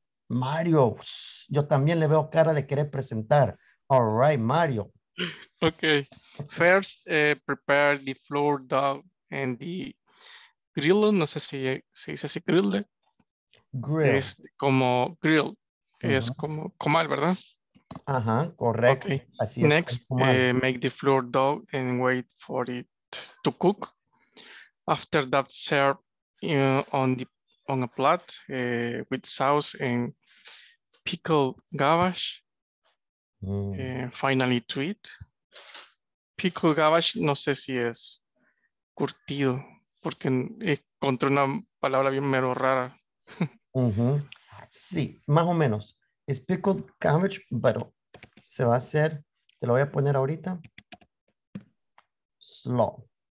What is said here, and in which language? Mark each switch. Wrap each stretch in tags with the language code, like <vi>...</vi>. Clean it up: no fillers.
<es>Mario, yo también le veo cara de querer presentar.</es> <en>All right, Mario. Ok. First, prepare the floor dog and the grill.</en> <es>No sé si se dice así, grill.</es> <en>Grill.</en> <es>Es como grill. Uh-huh. Es como comal, ¿verdad? Ajá, uh-huh, correcto. Okay. Así es.</es> <en>Next, make the floor dog and wait for it to cook. After that, serve on a plate with sauce and pickled gabash. Finally, treat.</en> <es>Pickled gabash, no sé si es curtido, porque encontré una palabra bien mero rara. Uh-huh. Sí, más o menos. Es pickled cabbage, pero se va a hacer, te lo voy a poner ahorita, slow.</es>